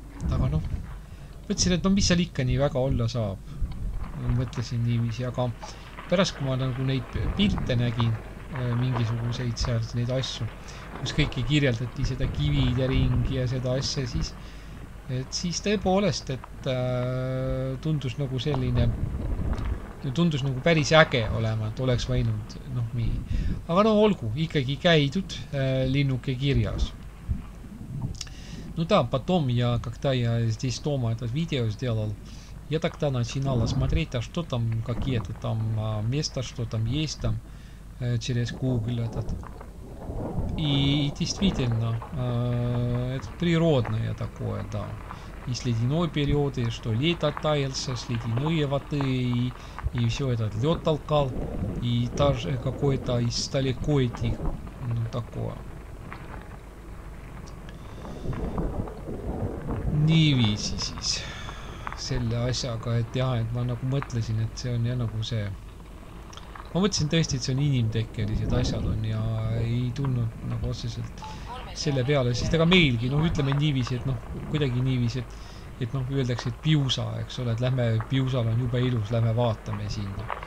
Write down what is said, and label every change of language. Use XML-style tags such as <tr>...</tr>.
<et>Aga noh, mõtlesin, et no mis seal ikka nii väga olla saab, mõtlesin niimoodi, aga pärast kui ma nagu neid pilte nägin, mingisuguseid seal neid asju, kus kõiki kirjeldati seda kivide ringi ja seda asja, siis tõepoolest, et tundus nagu selline, tundus nagu päris äge olema, et oleks võinud, noh, mii. Aga noh, olgu, ikkagi käidud linnuke kirjas.</et> <ru>Ну да, потом я, когда я здесь дома это видео сделал, я тогда начинал смотреть, а что там, какие-то там места, что там есть там через Google этот. И действительно, это природное такое, да. И с ледяной период, и что лед оттаялся, с ледяной воды, и все этот лед толкал, и даже какой-то из далеко идти, ну такое.</ru> <et>Niiviisi siis selle asjaga, et jah, et ma nagu mõtlesin, et see on jah nagu see, ma mõtlesin tõesti, et see on inimtekkelised asjad on ja ei tunnud nagu otseselt selle peale, siis tega meilgi, noh, ütleme niiviisi, et noh, kuidagi niiviisi, et noh, öeldakse, et piusa, eks ole, et lähme, piusal on juba ilus, lähme vaatame sinna.</et>